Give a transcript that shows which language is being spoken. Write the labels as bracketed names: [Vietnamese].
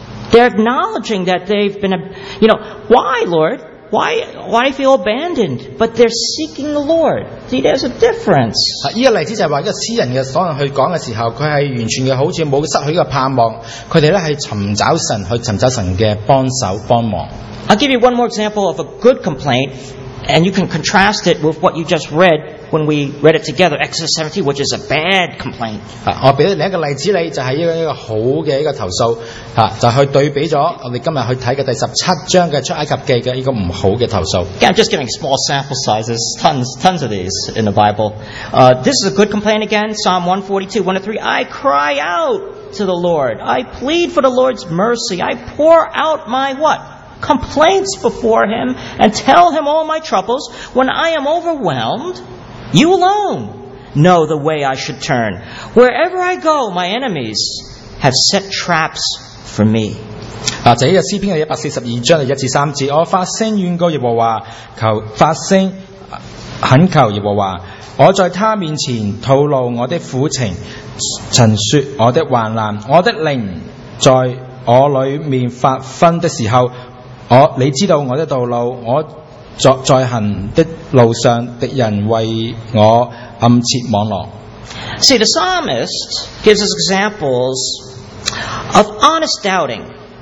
[English] They're acknowledging that they've been, you know, why Lord? Why feel abandoned? But they're seeking the Lord. See, there's a difference. [Chinese] 这个例子就是说，一个诗人所去讲的时候，他是完全的好像没有失去一个盼望，他们是寻找神，去寻找神的帮手帮忙。 [English] I'll give you one more example of a good complaint, and you can contrast it with what you just read when we read it together, Exodus 17, which is a bad complaint. [Chinese] 我给你一个例子，就是一个好的一个投诉，就去对比了我们今天去看的第17章的出埃及记的一个不好的投诉。 [English] Okay, I'm just giving small sample sizes, tons of these in the Bible. This is a good complaint again, Psalm 142, 1-3. I cry out to the Lord. I plead for the Lord's mercy. I pour out my what? Complaints before him and tell him all my troubles. When I am overwhelmed, you alone know the way I should turn. Wherever I go, my enemies have set traps for me. [Chinese] 这个诗篇是142章的1-3节，我发声怨告耶和华，求发声恳求耶和华，我在他面前吐露我的苦情，陈说我的患难，我的灵在我里面发昏的时候，你知道我的道路，我在行的路上，敌人为我暗设网罗。 [English] See, the psalmist gives us examples of honest doubting.